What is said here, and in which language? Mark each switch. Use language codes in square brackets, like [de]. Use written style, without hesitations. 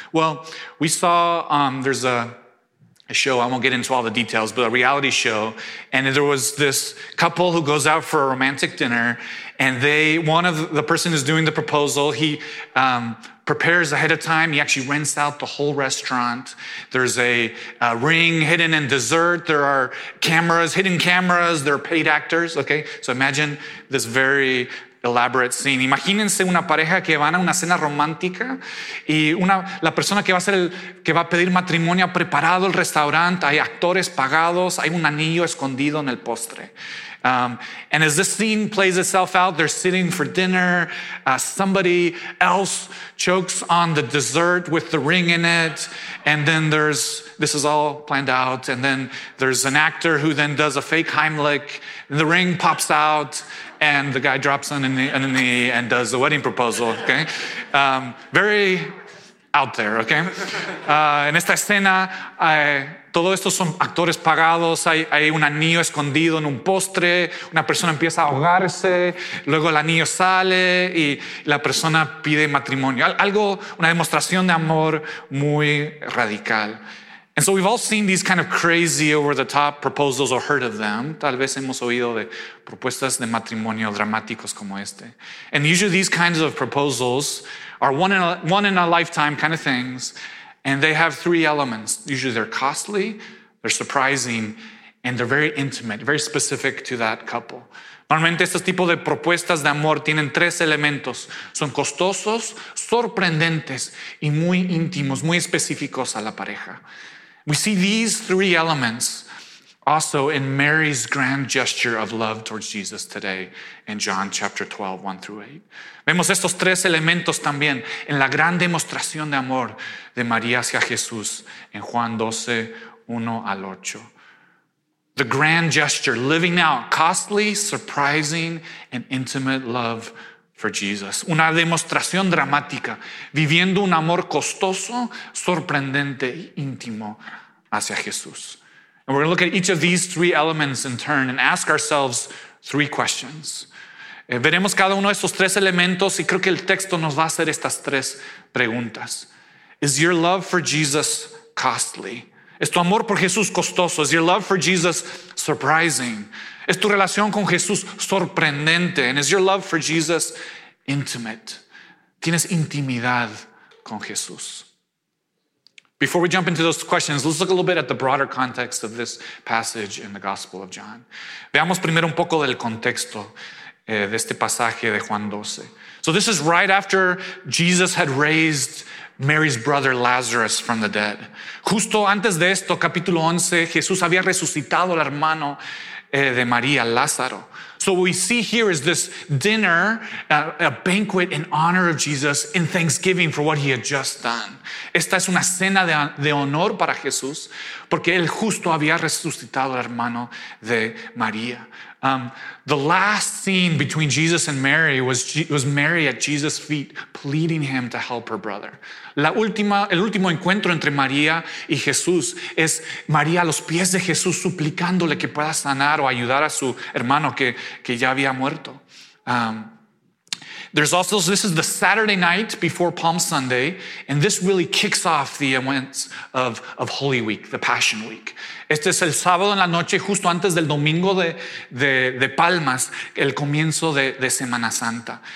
[en] Well, we saw there's a show, I won't get into all the details, but a reality show. And there was this couple who goes out for a romantic dinner, and the person who's doing the proposal, he prepares ahead of time. He actually rents out the whole restaurant. There's a ring hidden in dessert. There are cameras, hidden cameras. There are paid actors, okay? So imagine this very elaborate scene. [es] Imagínense una pareja que van a una cena romántica y la persona que va a ser que va a pedir matrimonio ha preparado el restaurante, hay actores pagados, hay un anillo escondido en el postre. [en] And as this scene plays itself out, they're sitting for dinner. Somebody else chokes on the dessert with the ring in it. And then this is all planned out. And then there's an actor who then does a fake Heimlich. And the ring pops out and the guy drops on a knee and does the wedding proposal. Okay. Very out there, okay? [es] En esta escena, todo esto son actores pagados, hay un anillo escondido en un postre, una persona empieza a ahogarse, luego el anillo sale y la persona pide matrimonio. Algo, una demostración de amor muy radical. [en] And so we've all seen these kind of crazy over-the-top proposals or heard of them. [es] Tal vez hemos oído de propuestas de matrimonio dramáticos como este. [en] And usually these kinds of proposals are one in a lifetime kind of things. And they have three elements. Usually they're costly, they're surprising, and they're very intimate, very specific to that couple. [es] Normalmente estos tipos de propuestas de amor tienen tres elementos. Son costosos, sorprendentes, y muy íntimos, muy específicos a la pareja. [en] We see these three elements also in Mary's grand gesture of love towards Jesus today in John chapter 12, 1 through 8. [es] Vemos estos tres elementos también en la gran demostración de amor de María hacia Jesús en Juan 12, 1 al 8. [en] The grand gesture, living out costly, surprising, and intimate love for Jesus. [es] Una demostración dramática, viviendo un amor costoso, sorprendente, íntimo hacia Jesús. [en] And we're going to look at each of these three elements in turn and ask ourselves three questions. [es] Veremos cada uno de estos tres elementos y creo que el texto nos va a hacer estas tres preguntas. [en] Is your love for Jesus costly? [es] ¿Es tu amor por Jesús costoso? [en] Is your love for Jesus surprising? [es] ¿Es tu relación con Jesús sorprendente? [en] And is your love for Jesus intimate? [es] ¿Tienes intimidad con Jesús? [en] Before we jump into those questions, let's look a little bit at the broader context of this passage in the Gospel of John. [es] Veamos primero un poco del contexto de este pasaje de Juan 12. [en] So this is right after Jesus had raised Mary's brother Lazarus from the dead. [es] Justo antes de esto, capítulo 11, Jesús había resucitado al hermano de María, Lázaro. [en] So what we see here is this dinner, a banquet in honor of Jesus in thanksgiving for what he had just done. [es] Esta es una cena de honor para Jesús porque él justo había resucitado al hermano de María. [en] The last scene between Jesus and Mary was Mary at Jesus' feet pleading him to help her brother. [es] El último encuentro entre María y Jesús es María a los pies de Jesús suplicándole que pueda sanar o ayudar a su hermano que ya había muerto. [en] There's also, this is the Saturday night before Palm Sunday, and this really kicks off the events of Holy Week, the Passion Week. [es] Este es el sábado en la noche, justo antes del domingo de Palmas, el comienzo de Semana Santa.